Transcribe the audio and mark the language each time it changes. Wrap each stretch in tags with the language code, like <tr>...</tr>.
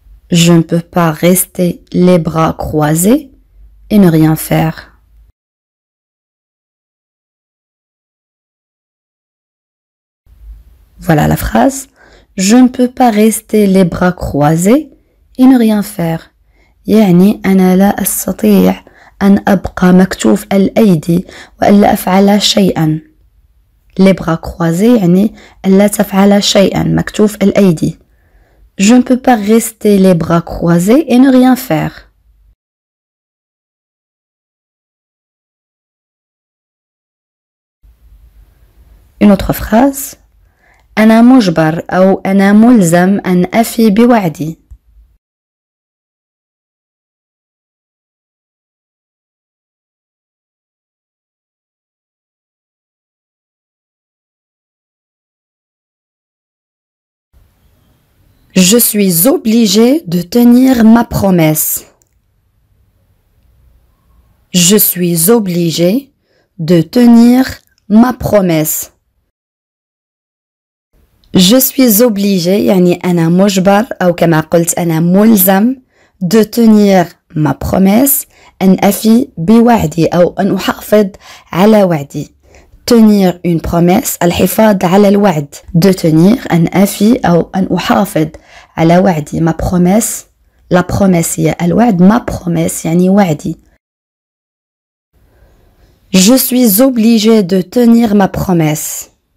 <fr>Je ne peux pas rester les bras croisés et ne rien faire. Voilà la phrase. Je ne peux pas rester les bras croisés et ne rien faire.</fr> <ar>يعني أنا لا أستطيع أن أبقى مكتوف الأيدي وأن لا أفعل شيئا.</ar> <fr>Les bras croisés</fr> <ar>يعني أن لا تفعل شيئا, مكتوف الأيدي.</ar> <fr>Je ne peux pas rester les bras croisés et ne rien faire. Une autre phrase.</fr> <ar>أنا مجبر أو أنا ملزم أن أفي بوعدي.</ar> <fr>Je suis obligé de tenir ma promesse. Je suis obligé de tenir ma promesse. Je suis obligé,</fr> <ar>يعني أنا مجبر أو كما قلت أنا ملزم,</ar> <fr>de tenir ma promesse,</fr> <ar>أن أفي بوعدي أو أن أحافظ على وعدي.</ar> <fr>Tenir une promesse,</fr> <ar>الحفاظ على الوعد.</ar> <fr>De tenir,</fr> <ar>أن أفي أو أن أحافظ. على وعدي, ما بروميس, لا بروميس هي الوعد, ما بروميس يعني وعدي.</ar> <fr>Je suis obligé de tenir ma promesse.</fr>